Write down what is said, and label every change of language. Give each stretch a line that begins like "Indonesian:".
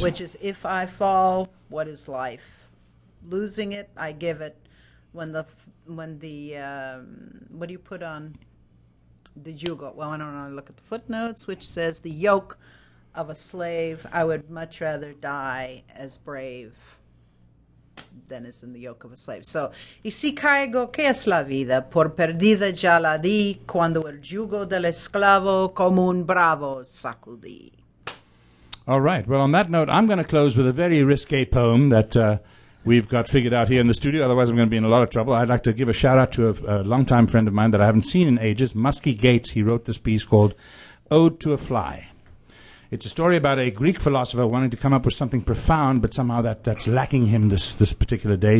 English: Which is, if I fall, what is life? Losing it, I give it. What do you put on the yugo? Well, I don't want to look at the footnotes, which says the yoke of a slave. I would much rather die as brave than is in the yoke of a slave. So,
Spanish: y si caigo, que es la vida? Por perdida ya la di, cuando el yugo del esclavo como un bravo sacudí.
English: All right. Well, on that note, I'm going to close with a very risque poem that we've got figured out here in the studio. Otherwise, I'm going to be in a lot of trouble. I'd like to give a shout-out to a longtime friend of mine that I haven't seen in ages, Muskie Gates. He wrote this piece called Ode to a Fly. It's a story about a Greek philosopher wanting to come up with something profound, but somehow that's lacking him this particular day.